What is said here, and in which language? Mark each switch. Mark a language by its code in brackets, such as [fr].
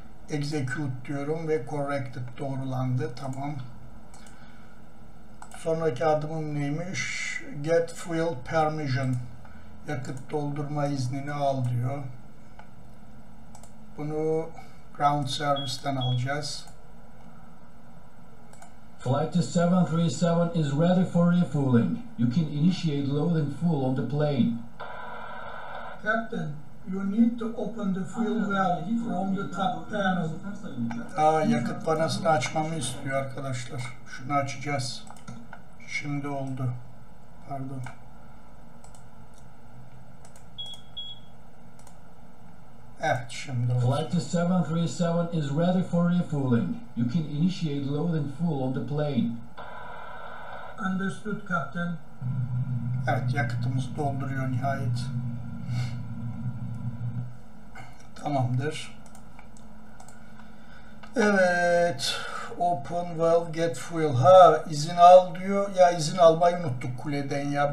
[tr] Execute diyorum ve corrected, doğrulandı. Tamam. Sonraki adımım neymiş? [en] Get fuel permission. [tr] Yakıt doldurma iznini al diyor. Bunu ground service'ten alacağız. [en] Flight 737 is ready for refueling. You can initiate load and fuel on the plane. Captain, you need to open the fuel valve from the top panel. [tr] Yakıt panasını açmamı istiyor arkadaşlar. Şunu açacağız. Şimdi oldu. Pardon. Evet, şimdi oldu. [en] Flight 737 is ready for refueling. You can initiate load and fuel on the plane. Understood, Captain. [tr] Evet, yakıtımızı dolduruyor nihayet. Tamamdır. Evet. [en] Open valve, get fuel. [tr] Ha, izin al diyor. Ya izin almayı unuttuk kuleden ya.